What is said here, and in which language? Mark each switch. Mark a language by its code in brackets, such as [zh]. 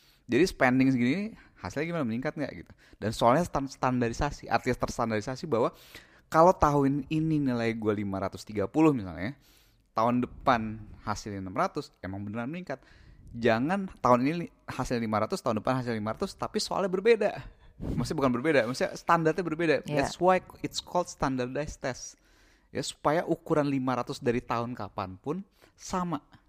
[id] Jadi spending segini hasilnya gimana, meningkat nggak gitu. Dan soalnya standarisasi, artinya terstandarisasi bahwa kalau tahun ini nilai gue 530 misalnya, tahun depan hasilnya 600, emang beneran meningkat. Jangan tahun ini hasil 500, tahun depan hasil 500, tapi soalnya berbeda. Maksudnya bukan berbeda, maksudnya standarnya berbeda. [en] That's why it's called standardized test. [id] Ya, supaya ukuran 500 dari tahun kapan pun sama.